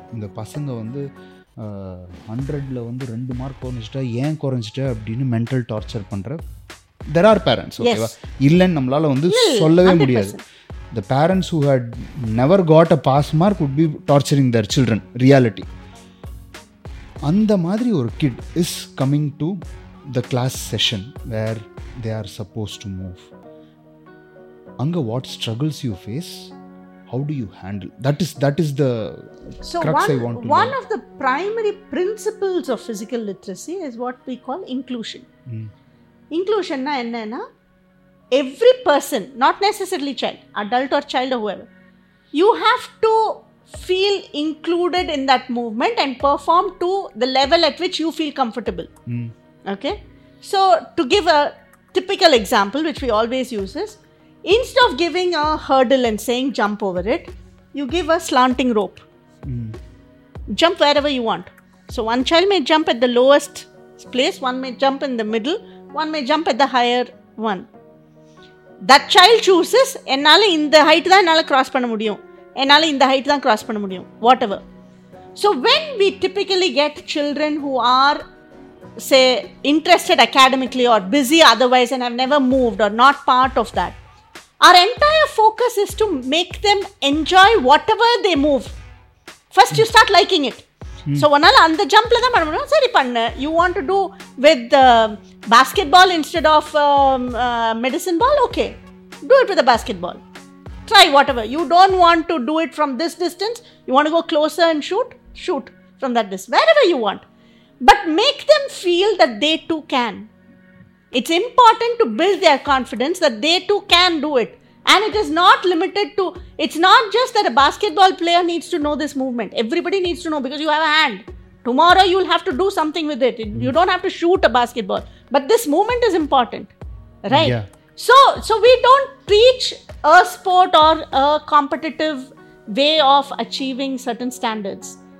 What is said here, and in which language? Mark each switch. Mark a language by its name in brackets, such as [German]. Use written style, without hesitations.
[Tamil] இந்த பசங்க வந்து 100ல வந்து 2 மார்க் குறைஞ்சிட்டா ஏன் குறைஞ்சிட்டா அப்படின்னு மென்டல் டார்ச்சர் பண்ற [English] there are parents [Tamil] ஓகேவா இல்லைன்னு நம்மளால வந்து சொல்லவே முடியாது [English] the parents who had never got a pass mark would be torturing their children. Reality. [Tamil] அந்த மாதிரி ஒரு [English] kid is coming to the class session where they are supposed to move. அங்கே what struggles you face, how do you handle? That is the so crux one, I want to know. One of the primary principles of physical literacy is what we call inclusion. [Tamil] இன்க்ளூஷன்னா என்னன்னா [English] every person, not necessarily child, adult or child or whoever, you have to feel included in that movement and perform to the level at which you feel comfortable. Okay, so to give a typical example which we always use is, instead of giving a hurdle and saying jump over it, you give a slanting rope. Jump wherever you want. So one child may jump at the lowest place, one may jump in the middle, one may jump at the higher one. That child chooses, [Tamil] என்னால் இந்த height தான் என்னால் cross பண்ண முடியும், என்னால் இந்த height தான் cross பண்ண முடியும், what ever. [English] So when we typically get children who are say interested academically or busy otherwise and have never moved or not part of that, our entire focus is to make them enjoy whatever they move first, you start liking it. So [Tamil] அதனால் அந்த ஜம்பில் தான் பண்ண முடியும். சரி பண்ணு, [English] You want to do with basketball instead of medicine ball, okay do it with basketball, try whatever. You don't want to do it from this distance, you want go closer and shoot, shoot from that distance, wherever you want. But make them feel that they too can. It's important to build their confidence that they too can do it. And it is not limited to, it's not just that a basketball player needs to know this movement. Everybody needs to know because you have a hand. Tomorrow you'll have to do something with it. You don't have to shoot a basketball. But this movement is important. Right? Yeah. So we don't teach a sport or a competitive way of achieving certain standards.